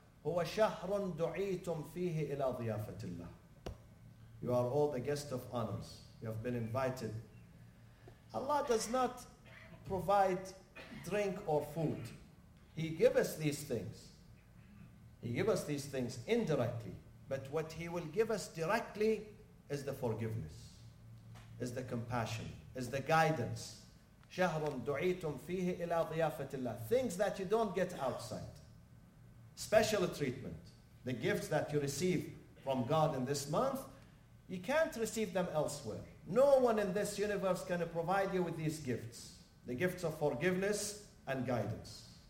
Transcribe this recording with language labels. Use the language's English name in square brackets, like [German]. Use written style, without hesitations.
[Arabic] هو شهر دعيتم فيه إلى ضيافة الله. [English] You are all the guests of honors. You have been invited. Allah does not provide drink or food. He gives us these things. He gives us these things indirectly. But what He will give us directly is the forgiveness, is the compassion, is the guidance. [Arabic] شهر دعيتم فيه إلى ضيافة الله. [English] Things that you don't get outside. Special treatment, the gifts that you receive from God in this month, you can't receive them elsewhere. No one in this universe can provide you with these gifts, the gifts of forgiveness and guidance.